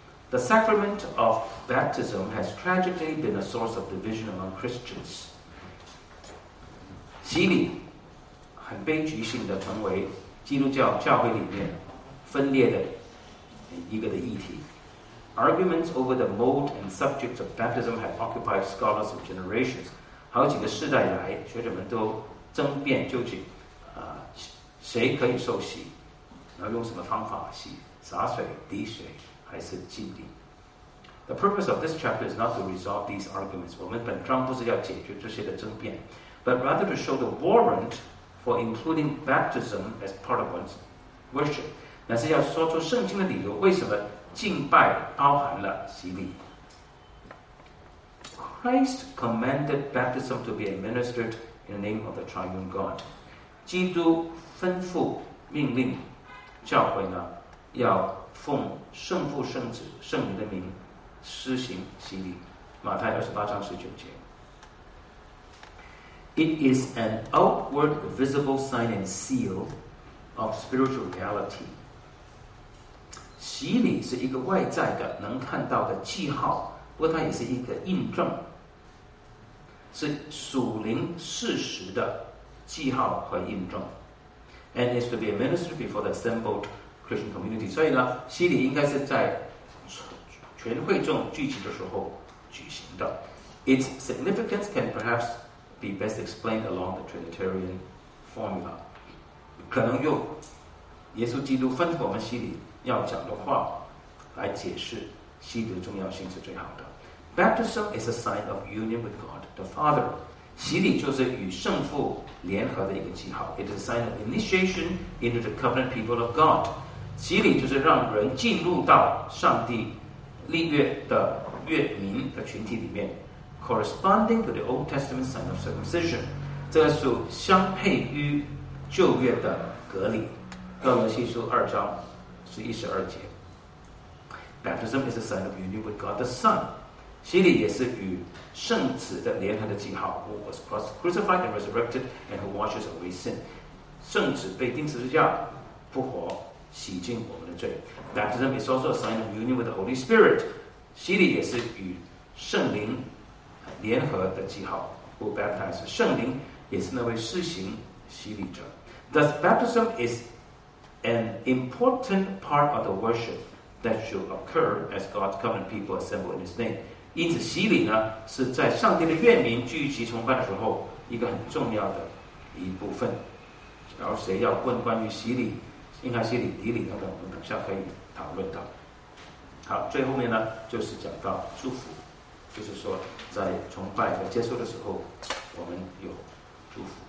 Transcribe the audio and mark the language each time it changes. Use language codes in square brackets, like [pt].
[en] The sacrament of baptism has tragically been a source of division among Christians. [zh] 洗礼很悲剧性的成为基督教教会里面分裂的一个的议题。 [en] Arguments over the mode and subject of baptism have occupied scholars of generations. [zh] 好几个世代来学者们都争辩究竟谁可以受洗，要用什么方法洗，洒水、滴水还是浸礼。 [en] The purpose of this chapter is not to resolve these arguments. [zh] 我们本章不是要解决这些的争辩， [en] but rather to show the warrant for including baptism as part of one's worship. [zh] 那是要说出圣经的理由，为什么敬拜包含了洗礼。 [en] Christ commanded baptism to be administered in the name of the triune God. [zh] 基督吩咐命令教会呢要奉圣父圣子圣灵的名施行洗礼，马太28:19。 [en] It is an outward visible sign and seal of spiritual reality. [zh] 洗礼是一个外在的能看到的记号，不过它也是一个印证，是属灵事实的记号和印证。 [en] And is to be administered before the assembled Christian community. [zh] 所以呢，洗礼应该是在全会众聚集的时候举行的。 [en] Its significance can perhaps be best explained along the Trinitarian formula. [zh] 可能用耶稣基督吩咐我们洗礼要讲的话来解释基督的重要性是最好的。 [en] Baptism is a sign of union with God the Father. [zh] 洗礼就是与圣父联合的一个记号。 [en] It is a sign of initiation into the covenant people of God. [zh] 洗礼就是让人进入到上帝立约的约民的群体里面。 [en] Corresponding to the Old Testament sign of circumcision. [zh] 这是相配于旧约的隔离。哥罗西书二章十一十二节。 [en] Baptism is a sign of union with God the Son. [zh] 洗礼也是与圣子的联合的记号。 [en] Who was crucified and resurrected and who washes away sin. [zh] 圣子被钉十字架复活洗净我们的罪。 [en] Baptism is also a sign of union with the Holy Spirit. [zh] 洗礼也是与圣灵联合的记号。 [en] Who baptized [zh] 圣灵也是那位施行洗礼者。 [en] Thus baptism is an important part of the worship. That should occur as God's covenant people assemble in His name. [zh] 因此，洗礼呢是在上帝的愿民聚集崇拜的时候一个很重要的一部分。然后，谁要问关于洗礼、应该洗礼、礼礼等等，我们等下可以讨论到。好，最后面呢就是讲到祝福，就是说在崇拜和接受的时候，我们有祝福。